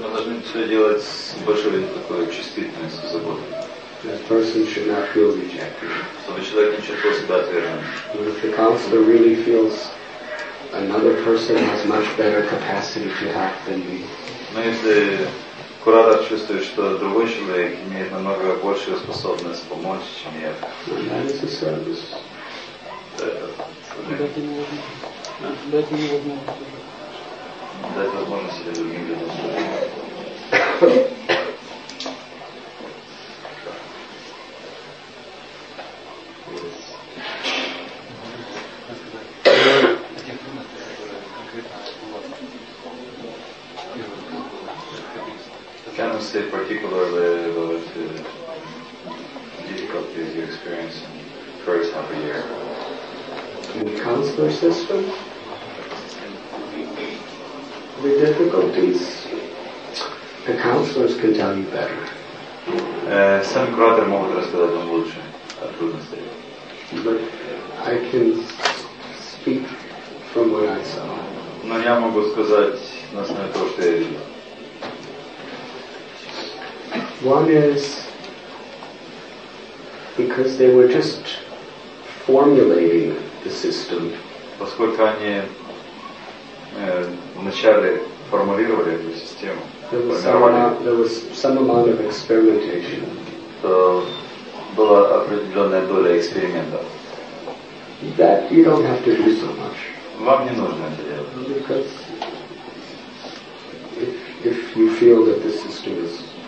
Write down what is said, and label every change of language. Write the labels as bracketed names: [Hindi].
[Russian] Мы должны все делать с большой такой чувствительностью, заботой. [English] That person should not feel rejected. So the [Russian] человек не чувствовал себя отверженным. [English] But if the counselor really feels another person has much better capacity to help than me. [Russian] Но если куратор чувствует, что другой человек имеет намного большую способность помочь, чем я. [English] That is a service. [Russian] Дать возможность или другим людям. [English] Can you say particularly about the difficulties you experienced in the first half a year? In the counselor system? the difficulties, the counselors can tell you better. [Russian] Сам куратор может рассказать вам лучше о трудностях. [English] But I can speak from what I saw. [Russian] Но я могу сказать на основе того, что я видел. [English] One is because they were just formulating the system. [Russian] Поскольку они вначале формулировали эту систему. [English] There was some amount of experimentation. [Russian] Была определенная доля экспериментов. [English] That you don't have to do so much. [Russian] Вам не нужно это делать. [English] Because if you feel that the system is